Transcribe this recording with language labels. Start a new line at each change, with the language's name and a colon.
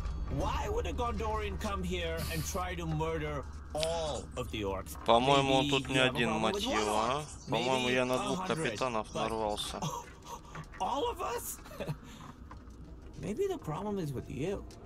English: Why would a Gondorian come here and try to murder all of the orcs?
Russian: По-моему, он тут не один, мать его, а? По-моему, я на двух капитанов нарвался.
English: All of us? Maybe the problem is with you.